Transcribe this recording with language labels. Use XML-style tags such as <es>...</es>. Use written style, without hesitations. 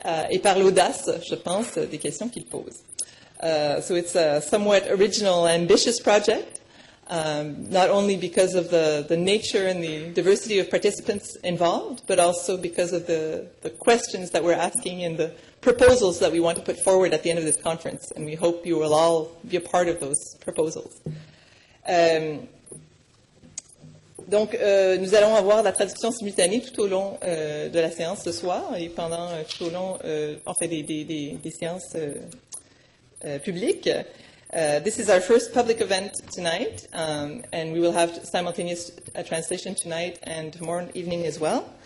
<fr>Et par l'audace, je pense, des questions qu'il pose.</fr> <en>So it's a somewhat original, ambitious project, not only because of the nature and the diversity of participants involved, but also because of the questions that we're asking and the proposals that we want to put forward at the end of this conference. And we hope you will all be a part of those proposals.</en> <fr>Donc, nous allons avoir la traduction simultanée tout au long de la séance ce soir et pendant tout au long, en fait, des séances publiques.</fr> <en>This is our first public event tonight, and we will have simultaneous translation tonight and tomorrow evening as well.</en>